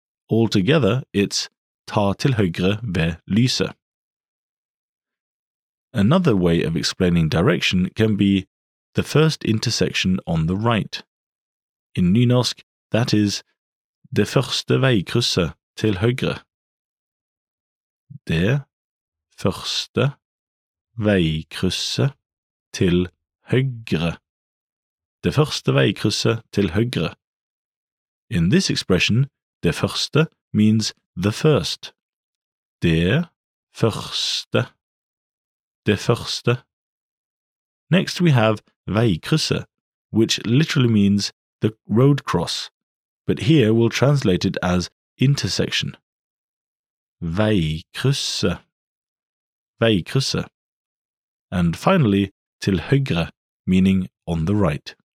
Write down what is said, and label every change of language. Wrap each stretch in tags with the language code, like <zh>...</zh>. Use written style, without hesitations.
<en>Altogether, it's</en> <no>ta til høyre ved lyset.</no> <en>Another way of explaining direction can be the first intersection on the right. In Nynorsk, that is</en> <no>det første veikrysset til høyre. Det første veikrysset til høyre. Det første veikrysset til høyre.</no> <en>In this expression,</en> <no>det første</no> <en>means the first.</en> <no>Det første. Det første.</no> <en>Next we have veikrysset, which literally means the road cross, but here we'll translate it as intersection.</en> <no>Veikrysset. Veikrysset.</no> <en>And finally,</en> <no>til høyre,</no> <en>meaning on the right.</en>